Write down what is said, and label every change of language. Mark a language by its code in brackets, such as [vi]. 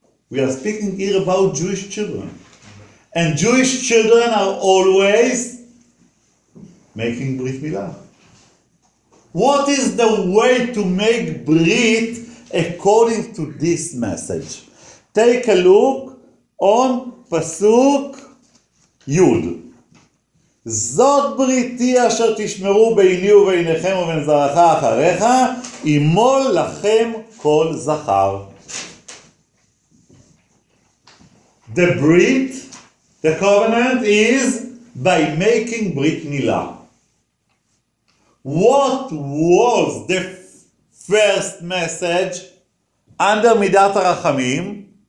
[en] We are speaking here about Jewish children. And Jewish children are always making brit milah. What is the way to make brit according to this message? Take a look on פסוק יוד. [he] זאת בריתי אשר תשמרו ביני וביניכם ובין זרעך אחריך, אימול לכם כל זכר. [en] The brit, the covenant is by making brit milah. What was the first message under מידת הרחמים?